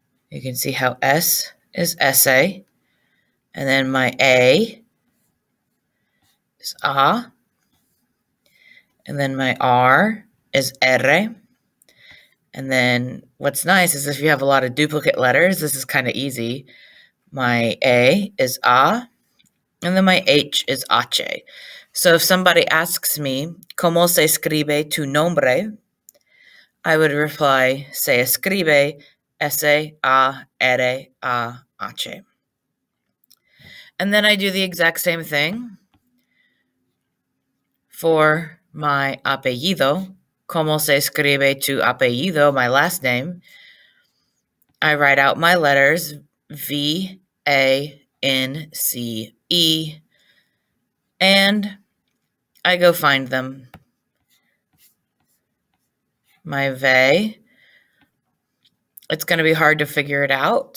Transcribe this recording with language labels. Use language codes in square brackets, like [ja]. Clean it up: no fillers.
[en] You can see how S is SA. And then my A is A. And then my R is R. And then what's nice is if you have a lot of duplicate letters, this is kind of easy. My A is A, and then my H is Ache. So if somebody asks me, [es] ¿Cómo se escribe tu nombre? [en] I would reply, [es] se escribe [en] S A R A Ache. And then I do the exact same thing for my apellido. [es] ¿Cómo se escribe tu apellido? [en] My last name. I write out my letters V A N C E and I go find them. My ve, it's going to be hard to figure it out.